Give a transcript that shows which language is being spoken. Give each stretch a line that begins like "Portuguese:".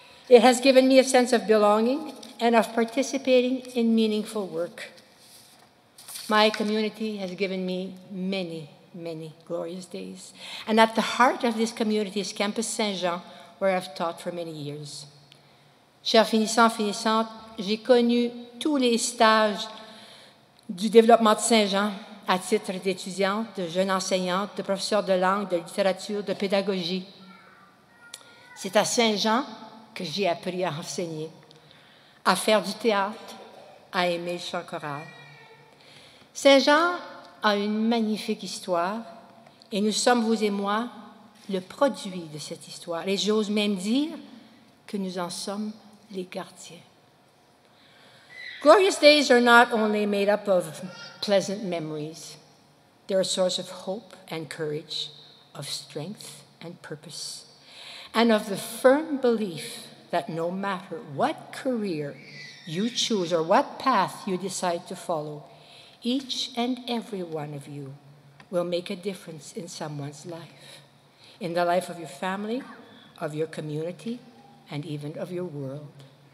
English: It has given me a sense of belonging and of participating in meaningful work. My community has given me many, many glorious days. And at the heart of this community is Campus Saint-Jean, where I've taught for many years.
French: Chers finissants, finissantes, j'ai connu tous les stages du développement de Saint-Jean à titre d'étudiante, de jeune enseignante, de professeur de langue, de littérature, de pédagogie. C'est à Saint-Jean que j'ai appris à enseigner, à faire du théâtre, à aimer le chant choral. Saint-Jean a une magnifique histoire et nous sommes, vous et moi, le produit de cette histoire. Et j'ose même dire que nous en sommes les gardiens.
English: Glorious days are not only made up of pleasant memories. They're a source of hope and courage, of strength and purpose, and of the firm belief that no matter what career you choose or what path you decide to follow, each and every one of you will make a difference in someone's life, in the life of your family, of your community, and even of your world.